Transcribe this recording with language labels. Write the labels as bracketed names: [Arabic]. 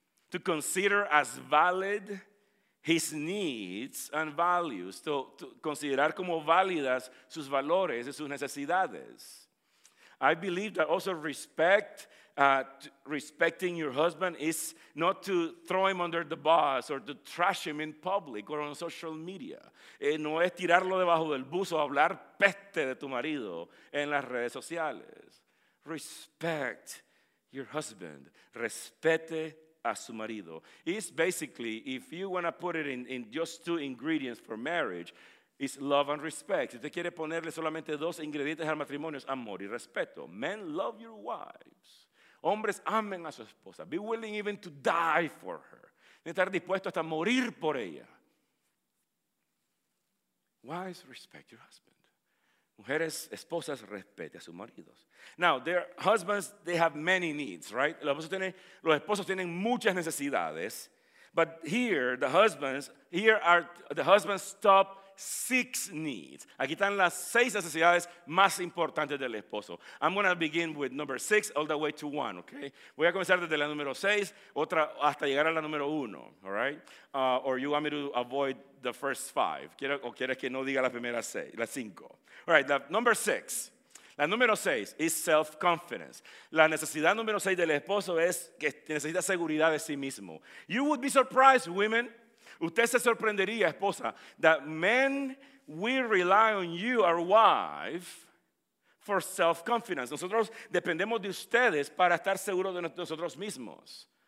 [English] To consider as valid his needs and values. [Spanish] To considerar como válidas sus valores y sus necesidades. [English] I believe that also respect, respecting your husband is not to throw him under the bus or to trash him in public or on social media. [Spanish] No es tirarlo debajo del bus o hablar peste de tu marido en las redes sociales. [English] Respect your husband. [Spanish] Respete a su marido. [English] It's basically, if you want to put it in just two ingredients for marriage, it's love and respect. [Spanish] Si usted quiere ponerle solamente dos ingredientes al matrimonio, es amor y respeto. [English] Men, love your wives. [Spanish] Hombres, amen a su esposa. [English] Be willing even to die for her. [Spanish] De estar dispuesto hasta morir por ella. [English] Wives, respect your husband. [Spanish] Mujeres, esposas, respete a sus maridos. [English] Now, their husbands, they have many needs, right? [Spanish] Los esposos tienen muchas necesidades. [English] But here the husbands stop six needs. [Spanish] Aquí están las seis necesidades más importantes del esposo. [English] I'm going to begin with number six all the way to one, okay? [Spanish] Voy a comenzar desde la número seis otra, hasta llegar a la número uno, [English] all right? Or you want me to avoid the first five? [Spanish] ¿O quieres que no diga las primeras seis, las cinco? [English] All right, [Spanish] la número seis [English] is self-confidence. [Spanish] La necesidad número seis del esposo es que necesita seguridad de sí mismo. [English] You would be surprised, women. [Spanish] Usted se sorprendería, esposa, [English] that men, we rely on you, our wife, for self-confidence. [Spanish] Nosotros dependemos de ustedes para estar seguros de nosotros mismos.